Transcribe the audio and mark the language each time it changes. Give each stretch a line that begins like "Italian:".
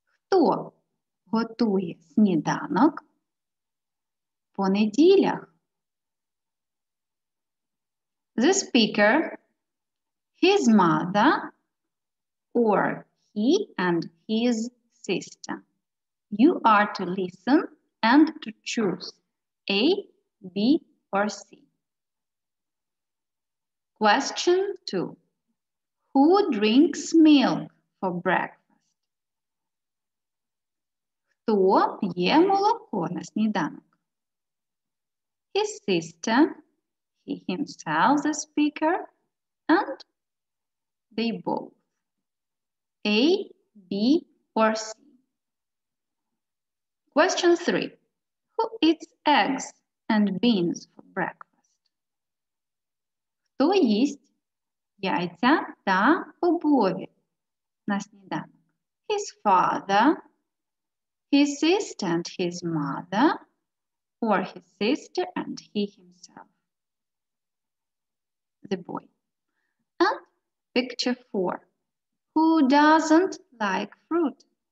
Ukrainian: Хто готує сніданок по неділях?
English: The speaker, his mother, or he and his sister. You are to listen and to choose A, B, or C. Question 2. Who drinks milk for breakfast?
Ukrainian: Хто п'є молоко на сніданок?
English: His sister, he himself, the speaker, and they both. A, B, or C. Question 3. Who eats eggs and beans for breakfast?
Ukrainian: Хто їсть яйця та бобові на сніданок?
English: His father, his sister and his mother, or his sister and he himself, the boy. And picture 4. Who doesn't like fruit?